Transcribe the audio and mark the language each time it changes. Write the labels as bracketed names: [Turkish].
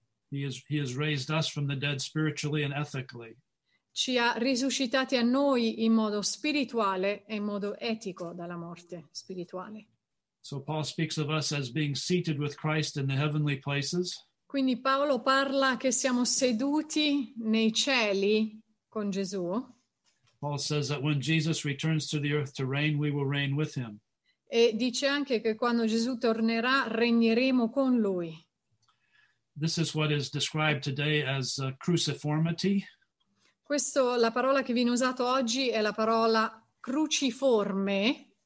[English] He has raised us from the dead spiritually and ethically. [Italian] Ci ha risuscitati a noi in modo spirituale e in modo etico dalla morte spirituale. [English] So Paul speaks of us as being seated with Christ in the heavenly places. [Italian] Quindi Paolo parla che siamo seduti nei cieli con Gesù. [English] Paul says that when Jesus returns to the earth to reign, we will reign with him. [Italian] E dice anche che quando Gesù tornerà, regneremo con lui. [English] This is what is described today as cruciformity. [Italian] Questo, la parola che viene usata oggi è la parola cruciforme.